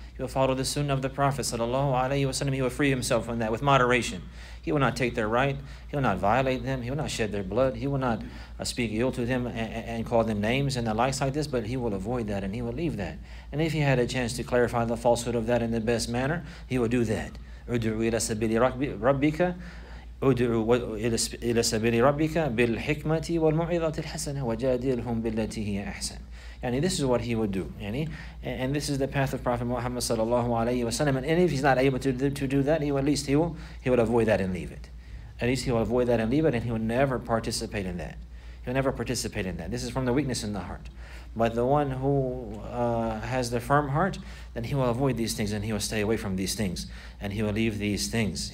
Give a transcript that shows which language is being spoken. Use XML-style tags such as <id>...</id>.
<en>He will follow the sunnah of the Prophet sallallahu alayhi wa sallam. He will free himself from that with moderation. He will not take their right. He will not violate them. He will not shed their blood. He will not speak ill to them and call them names and the likes like this. But he will avoid that and he will leave that. And if he had a chance to clarify the falsehood of that in the best manner, he will do that.</en> <ar>ادعوا إلى سبيل ربك ادعوا إلى سبيل ربك بالحكمة والموعظة الحسنة وجادلهم بالتي هي أحسن.</ar> <en>This is what he would do. And this is the path of Prophet Muhammad sallallahu alayhi wasallam. And if he's not able to do that, he will avoid that and leave it. At least he will avoid that and leave it, and he will never participate in that. He'll never participate in that. This is from the weakness in the heart. But the one who has the firm heart, then he will avoid these things and he will stay away from these things and he will leave these things.</en>